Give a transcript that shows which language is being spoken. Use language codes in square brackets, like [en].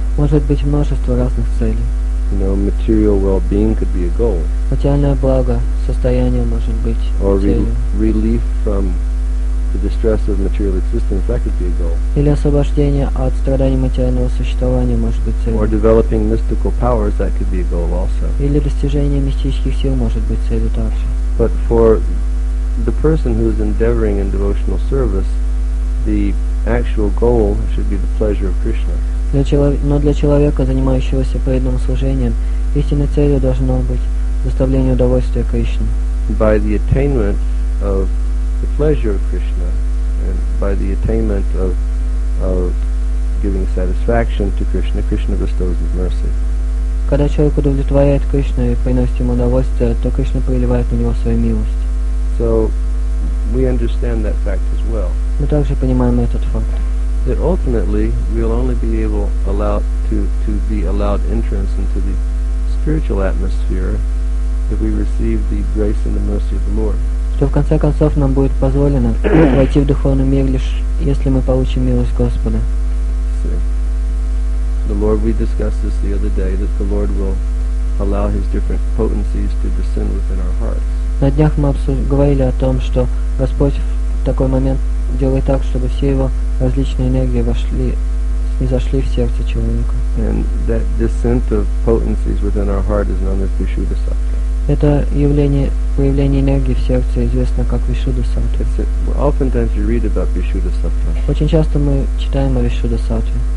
[ru] Может быть множество разных целей. [en] You know, material well-being could be a goal. [ru] Материальное благо, состояние может быть целью. [en] Or relief from the distress of material existence, that could be a goal. [ru] Или освобождение от страданий материального существования может быть целью. [en] Or developing mystical powers, that could be a goal also. [ru] Или достижение мистических сил может быть целью также. [en] But for the person who is endeavoring in devotional service, the actual goal should be the pleasure of Krishna. [ru] Но для человека, занимающегося преданным служением, истинной целью должно быть доставление удовольствия Кришне. [en] By the attainment of the pleasure of Krishna, and by the attainment of giving satisfaction to Krishna, Krishna bestows his mercy. [ru] Когда человек удовлетворяет Кришну и приносит ему удовольствие, то Кришна проливает на него свою милость. [en] So we understand that fact as well. [ru] Мы также понимаем этот факт. [en] That ultimately we'll only be able to be allowed entrance into the spiritual atmosphere if we receive the grace and the mercy of the Lord. [ru] Что в конце концов нам будет позволено войти в духовный мир лишь если мы получим милость Господа. [en] The Lord, we discussed this the other day, that the Lord will allow His different potencies to descend within our hearts. [ru] На днях мы говорили о том, что Господь в такой момент делает так, чтобы все Его различные энергии вошли, снизошли в сердце человека. [en] And that descent of potencies within our heart is known as Vishuddha Sattva. [ru] Это явление, появление энергии в сердце известно как Вишуда Саттва. [en] Oftentimes we read about Vishuddha Sattva. [ru] Очень часто мы читаем о Вишуда Саттве.